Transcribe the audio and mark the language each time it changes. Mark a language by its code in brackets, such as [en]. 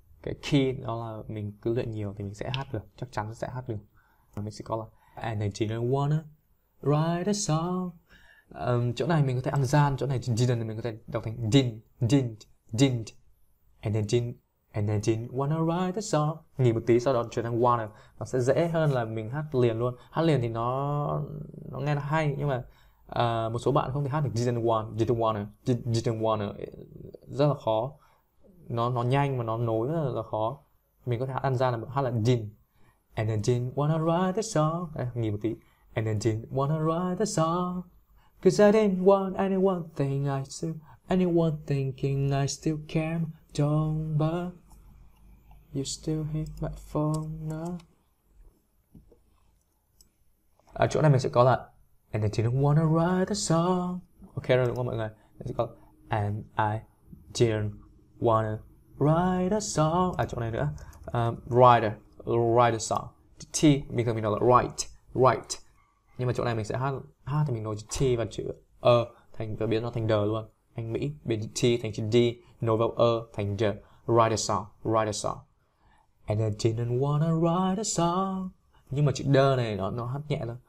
[vi] Cái key đó là mình cứ luyện nhiều thì mình sẽ hát được, chắc chắn sẽ hát được. Mình sẽ có là [en] And I didn't wanna write a song. [vi] Chỗ này mình có thể ăn gian, chỗ này didn't mình có thể đọc thành din, didn't, didn't. [en] And I didn't wanna write a song. [vi] Nghỉ một tí sau đó chuyển sang wanna. Nó sẽ dễ hơn là mình hát liền luôn. Hát liền thì nó nghe nó hay, nhưng mà một số bạn không thể hát được didn't want, didn't wanna, didn't wanna. Rất là khó. Nó nhanh mà nó nối rất là khó. Mình có thể hát ăn gian là hát là din. [en] And I didn't wanna write the song. [vi] Nghỉ một tí. [en] And I didn't wanna write the song. Cause I didn't want anyone thinking I still, anyone thinking I still care. Don't but you still hit my phone now. [vi] Ở chỗ này mình sẽ có là [en] And I didn't wanna write the song. [vi] Ok rồi đúng không mọi người? Mình sẽ có là, [en] And I didn't wanna write a song. [vi] À chỗ này nữa. Write a song. T mình thường mình nói là write. Nhưng mà chỗ này mình sẽ hát hát thì mình nối chữ T và chữ ơ thành và biến nó thành D luôn. Anh Mỹ biến T thành chữ D, nối vào ơ thành D. [en] Write a song. And I didn't wanna write a song. [vi] Nhưng mà chữ D này nó hát nhẹ lên.